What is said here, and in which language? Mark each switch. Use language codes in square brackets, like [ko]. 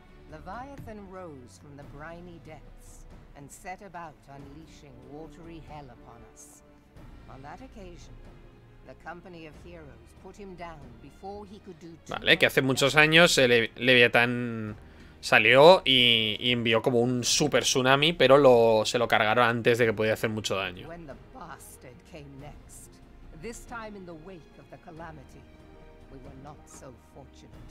[en] Leviathan rose from the briny depths and set about unleashing watery hell upon us. On that occasion, the company of heroes put him down before he could do too. [es] Vale, que hace muchos años el Leviatán salió y envió como un super tsunami, pero se lo cargaron antes de que pudiera hacer mucho daño. [en] When the bastard came next, this time in the wake of the calamity, we were not so fortunate.